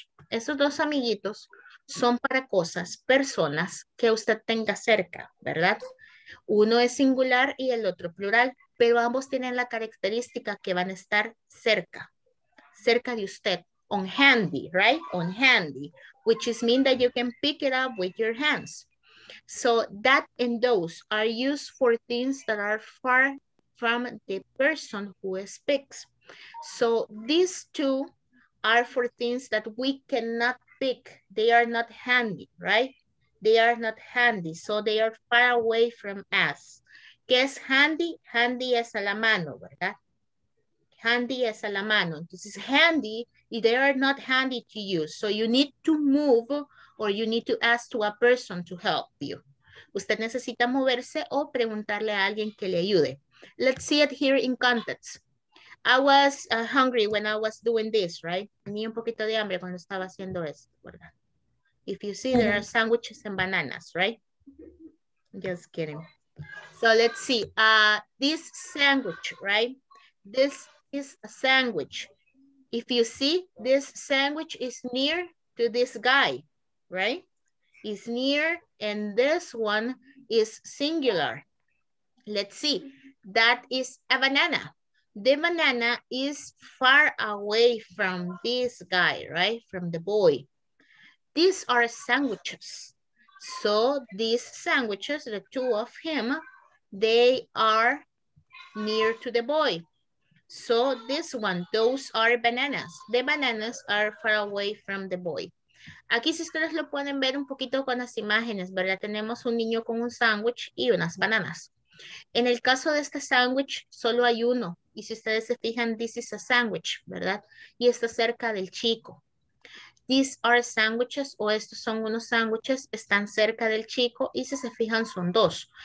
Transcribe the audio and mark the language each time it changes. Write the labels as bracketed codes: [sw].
[es] Estos dos amiguitos son para cosas, personas que usted tenga cerca, ¿verdad? Uno es singular y el otro plural, pero ambos tienen la característica que van a estar cerca de usted, [en] on handy, right? On handy, which is mean that you can pick it up with your hands. So that and those are used for things that are far from the person who speaks. So these two are for things that we cannot pick. They are not handy, right? They are not handy, so they are far away from us. [es] ¿Qué es handy? Handy es a la mano, ¿verdad? Handy es a la mano. [en] Entonces, handy, they are not handy to you. So you need to move or you need to ask to a person to help you. [es] Usted necesita moverse o preguntarle a alguien que le ayude. [en] Let's see it here in context. I was hungry when I was doing this, right? [es] Tenía un poquito de hambre cuando estaba haciendo esto, ¿verdad? [en] If you see, there are sandwiches and bananas, right? Just kidding. So let's see. This sandwich, right? This is a sandwich. If you see, this sandwich is near to this guy, right? It's near, and this one is singular. Let's see. That is a banana. The banana is far away from this guy, right? From the boy. These are sandwiches. So these sandwiches, the two of him, they are near to the boy. So this one, those are bananas. The bananas are far away from the boy. [es] Aquí si ustedes lo pueden ver un poquito con las imágenes, ¿verdad? Tenemos un niño con un sándwich y unas bananas. En el caso de este sándwich, solo hay uno. Y si ustedes se fijan, [en] this is a sandwich, [es] ¿verdad? Y está cerca del chico. [en] These are sandwiches, [es] o estos son unos sándwiches, están cerca del chico y si se fijan son dos.